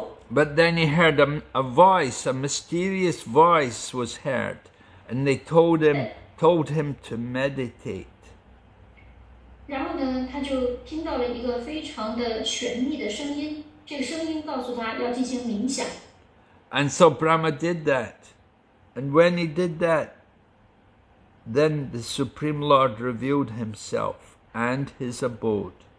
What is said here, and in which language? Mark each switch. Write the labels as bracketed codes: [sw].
[en] But then he heard a mysterious voice was heard, and they told him to meditate. [zh] 然后呢,他就听到了一个非常的玄秘的声音,这个声音告诉他要进行冥想。 [en] And so Brahma did that. And when he did that, then the Supreme Lord revealed himself and his abode.